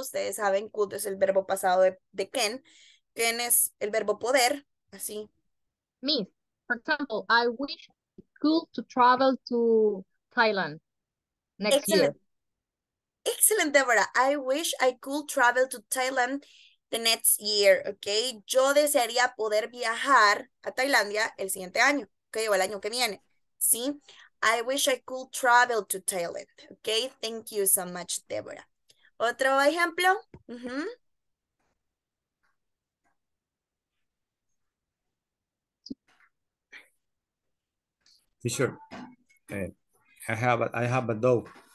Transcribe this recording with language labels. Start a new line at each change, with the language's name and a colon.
Spanish: Ustedes saben, could es el verbo pasado de can. Can es el verbo poder. Así.
English: Me, for example, I wish I could to travel to Thailand next Excellent. Year. Excellent, Deborah. I wish I could travel to Thailand the next year, okay?
Spanish: Yo desearía poder viajar a Tailandia el siguiente año, okay? O el año que viene, ¿sí?
English: I wish I could travel to Thailand, okay? Thank you so much, Deborah.
Spanish: ¿Otro ejemplo?
English: Mm-hmm. Teacher, I have a dog.